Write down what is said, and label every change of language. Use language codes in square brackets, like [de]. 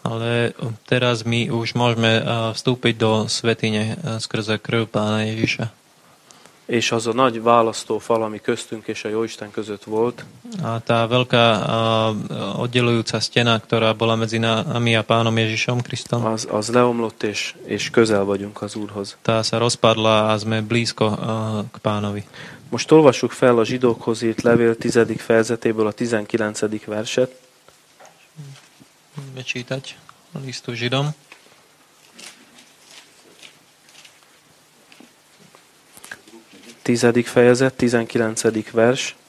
[sk] Ale teraz my už môžeme vstúpiť do svätyne skrze krv Pána Ježiša. [hu] És az a nagy választó fal, ami köztünk és a Jóisten között volt. [sk] A tá veľká oddelujúca stena, ktorá bola medzi nami a Pánom Ježišom Kristom. [hu] Az leomlott és közel vagyunk az Úrhoz. [sk] Tá sa rozpadla a sme blízko k Pánovi. [hu] Most olvassuk fel a zsidókhoz írt levél 10. fejezetéből a 19. verset. [sk] Čítať listu Židom. [hu] Tizedik fejezet, 19. vers.